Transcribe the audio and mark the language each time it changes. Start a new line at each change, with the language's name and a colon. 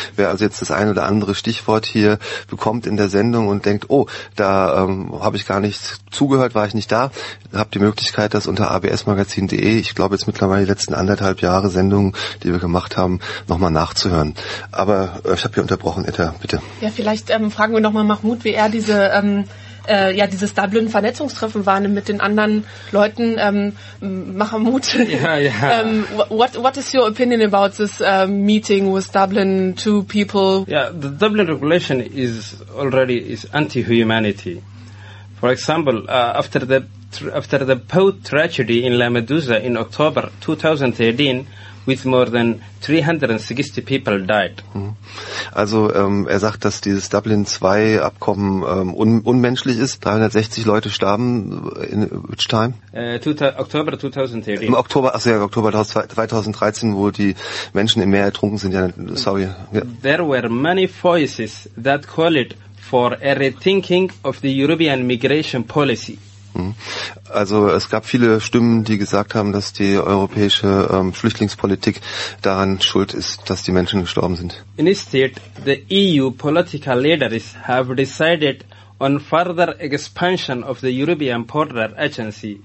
German: Wer also jetzt das ein oder andere Stichwort hier bekommt in der Sendung und denkt, oh, da habe ich gar nicht zugehört, war ich nicht da, habt die Möglichkeit, das unter absmagazin.de, ich glaube jetzt mittlerweile die letzten anderthalb Jahre Sendungen, die wir gemacht haben, nochmal nachzuhören. Aber ich habe hier unterbrochen, Etta, bitte. Ja, vielleicht fragen wir nochmal Mahmoud, wie er diese dieses Dublin-Vernetzungstreffen war mit den anderen Leuten.
English: Mahmoud, what is your opinion about this meeting with Dublin two people? Yeah, the Dublin regulation is already anti-humanity. For example, after the boat tragedy in Lampedusa in October 2013, with more than 360 people died.
German: Also er sagt, dass dieses Dublin II Abkommen unmenschlich ist. 360 Leute starben
English: in which time? October 2013.
German: Im Oktober, ach ja, Oktober 2013, wo die Menschen im Meer ertrunken sind. Ja, sorry. Ja.
English: There were many voices that called for a rethinking of the European migration policy.
German: Also es gab viele Stimmen, die gesagt haben, dass die europäische Flüchtlingspolitik daran schuld ist, dass die Menschen gestorben sind.
English: Instead, the EU political leaders have decided on further expansion of the European Border Agency.